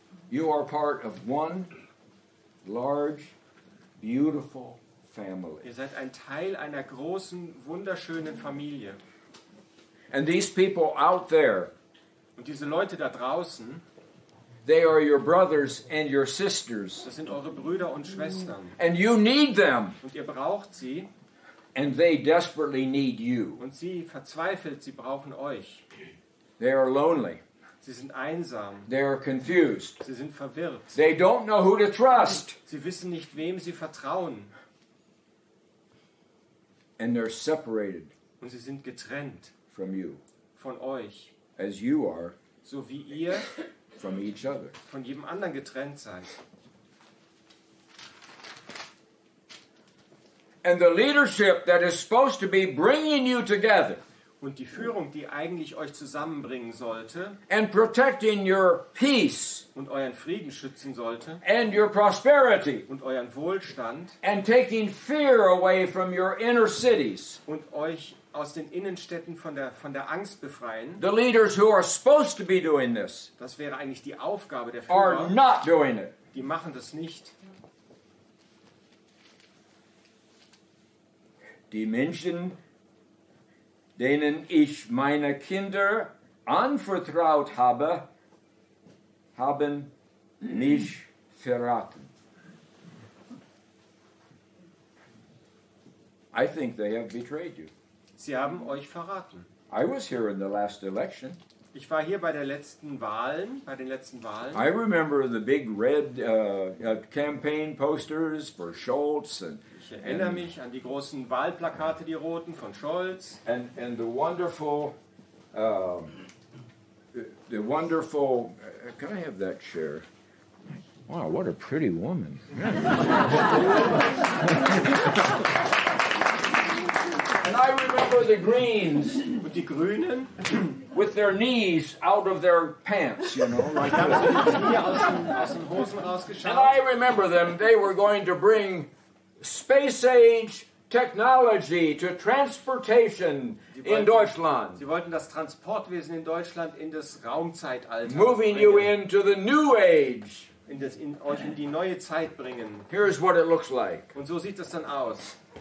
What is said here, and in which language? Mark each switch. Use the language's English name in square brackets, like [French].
[English] You are part of one large, beautiful family. [German] Ihr seid ein Teil einer großen, wunderschönen Familie. [English] And these people out there. [German] Und diese Leute da draußen. [English] They are your brothers and your sisters. [German] Das sind eure Brüder und Schwestern. [English] And you need them. [German] Und ihr braucht sie. [English] And they desperately need you. [German] Und sie verzweifelt, sie brauchen euch. [English] They are lonely. [German] Sie sind einsam. [English] They are confused. [German] Sie sind verwirrt. [English] They don't know who to trust. [German] Sie wissen nicht, wem sie vertrauen. [English] And they're separated. [German] Und sie sind getrennt. [English] From you. [German] Von euch. [English] As you are. [German] So wie ihr. [English] From each other. [German] Von jedem anderen getrennt sein. [English] And the leadership that is supposed to be bringing you together. [German] Und die Führung, die eigentlich euch zusammenbringen sollte. [English] And protecting your peace. [German] Und euren Frieden schützen sollte. [English] And your prosperity. [German] Und euren Wohlstand. [English] And taking fear away from your inner cities. [German] Und euch aus den Innenstädten von der Angst befreien. [English] The leaders who are supposed to be doing this. [German] Das wäre eigentlich die Aufgabe der Führer. [English] Are not doing it. [German] Die machen das nicht. Die Menschen, denen ich meine Kinder anvertraut habe, haben mich verraten. [English] I think they have betrayed you. [German] Sie haben euch verraten. [English] I was here in the last election. [German] Ich war hier bei der letzten Wahlen, bei den letzten Wahlen. [English] I remember the big red campaign posters for Scholz and. [German] Ich erinnere mich an die großen Wahlplakate, die roten von Scholz. [English] And the wonderful, can I have that chair? Wow, what a pretty woman. And I remember the Greens. [German] Und die Grünen? [English] With their knees out of their pants, you know. And I remember them, they were going to bring space age technology to transportation in Deutschland. [German] Sie wollten das Transportwesen in Deutschland in das Raumzeitalter. [English] Moving you into the new age. [German] In die neue Zeit bringen. [English] Here's what it looks like. [German] Und so sieht das dann aus.